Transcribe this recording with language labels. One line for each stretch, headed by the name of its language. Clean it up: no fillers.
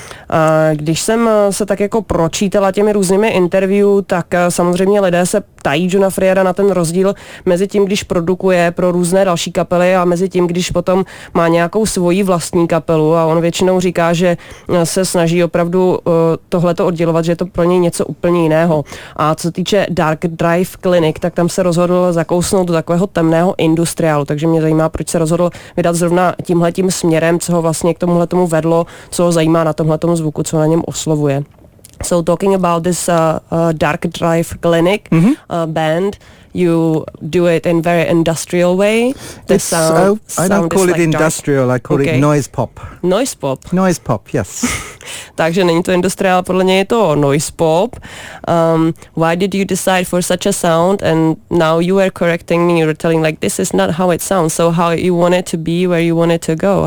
Czech: A když jsem se tak jako pročítala těmi různými interview, tak samozřejmě lidé se ptají Johna Frejera na ten rozdíl mezi tím, když produkuje pro různé další kapely a mezi tím, když potom má nějakou svoji vlastní kapelu, a on většinou říká, že se snaží opravdu tohleto oddělovat, že je to pro něj něco úplně jiného. A co týče Dark Drive Clinic, tak tam se rozhodl zakousnout do takového temného industriálu, takže mě zajímá, proč se rozhodl vydat zrovna tímhletím směrem, co ho vlastně k tomuhle tomu vedlo, co ho zajímá na tomhletom zvuku, co na něm oslovuje.
English: So talking about this Dark Drive Clinic band, you do it in very industrial way. The I don't call it industrial, I call it noise pop. Noise pop? Noise pop, yes.
Czech: Takže není to industrial, podle něj je to noise pop.
English: Why did you decide for such a sound? And now you were correcting me, you were telling like, this is not how it sounds. So how you want it to be, where you want it to go?